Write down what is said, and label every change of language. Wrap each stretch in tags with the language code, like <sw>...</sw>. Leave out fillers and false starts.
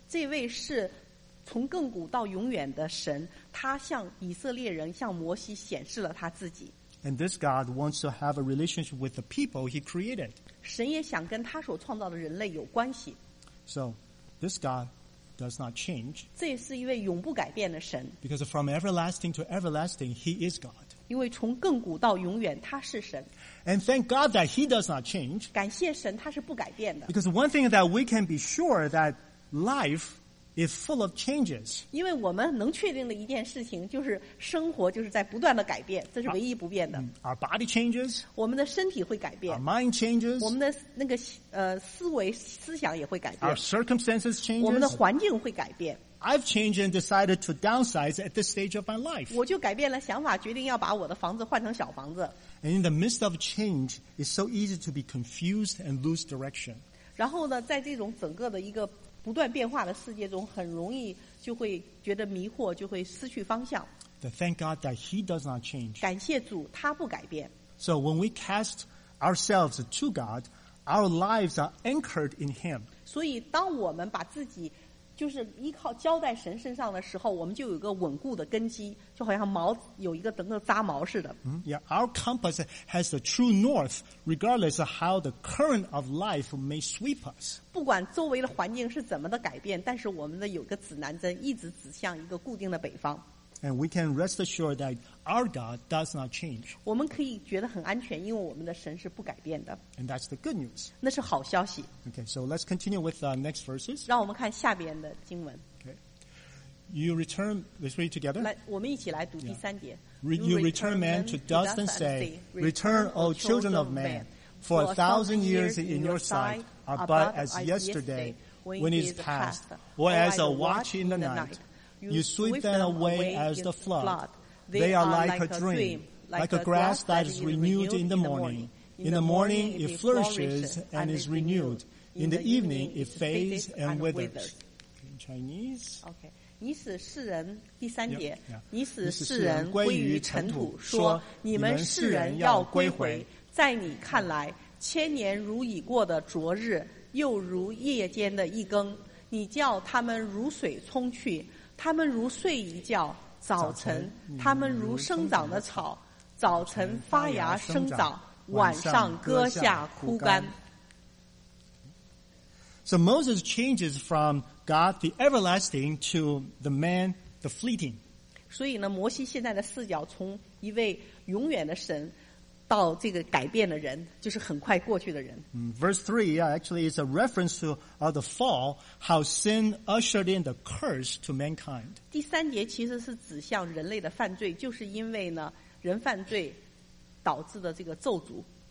<zh>这位是从亘古到永远的神，他向以色列人、向摩西显示了他自己。</zh> <en>And this God wants to have a relationship with the people He created.</en> <zh>神也想跟他所创造的人类有关系。</zh> <en>So, this God does not change.</en> <zh>这是一位永不改变的神。</zh> <en>Because from everlasting to everlasting, He is God.</en> <zh>因为从亘古到永远，他是神。</zh> <en>And thank God that He does not change.</en> <zh>感谢神，他是不改变的。</zh> <en>Because one thing that we can be sure that life is full of changes.</en> <zh>因为我们能确定的一件事情就是生活就是在不断的改变，这是唯一不变的。</zh> <en>Our body changes.</en> <zh>我们的身体会改变。</zh> <en>Our mind changes.</en> <zh>我们的那个思维思想也会改变。</zh> <en>Our circumstances changes.</en> <zh>我们的环境会改变。</zh> <en>I've changed and decided to downsize at this stage of my life.</en> <zh>我就改变了想法，决定要把我的房子换成小房子。</zh> <en>And in the midst of change, it's so easy to be confused and lose direction.</en> <zh>然后呢，在这种整个的一个不断变化的世界中，很容易就会觉得迷惑，就会失去方向。</zh> <en>The thank God that He does not change.</en> <zh>感谢主，他不改变。</zh> <en>So when we cast ourselves to God, our lives are anchored in Him.</en> <zh>所以，当我们把自己就是依靠交在神身上的时候，我们就有一个稳固的根基，就好像锚有一个整个扎锚似的。</zh> <en>Yeah, our compass has the true north, regardless of how the current of life may sweep us.</en> <zh>不管周围的环境是怎么的改变，但是我们的有个指南针一直指向一个固定的北方。</zh> <en>And we can rest assured that our God does not change.</en> <zh>我们可以觉得很安全，因为我们的神是不改变的。</zh> <en>And that's the good news.</en> <zh>那是好消息。</zh> <en>Okay, so let's continue with the next verses.</en> <zh>让我们看下边的经文。</zh> <en>Okay. You return, let's read together.</en> <zh>来，我们一起来读第三节。</zh> <en>You return man to dust and say, Return, O children of man, for a thousand years in your sight are but as yesterday when it is past, or as a watch in the night. You sweep them away as the flood. They are like a dream, like a grass that is renewed in the morning. In the morning it flourishes and is renewed. In the evening it fades and withers. In Chinese.</en> <zh>Okay. 你使世人第三节，你使世人归于尘土，说你们世人要归回。在你看来，千年如已过的昨日，又如夜间的一更。你叫他们如水冲去。他们如睡一觉，早晨；他们如生长的草，早晨发芽生长，晚上割下枯干。</zh> <en>So Moses changes from God the everlasting to the man the fleeting.</en> <zh>所以呢，摩西现在的视角从一位永远的神到这个改变的人，就是很快过去的人。</zh> <en>Verse 3 actually is a reference to the fall, how sin ushered in the curse to mankind.</en> <zh>第三节其实是指向人类的犯罪，就是因为呢人犯罪导致的这个咒诅。</zh>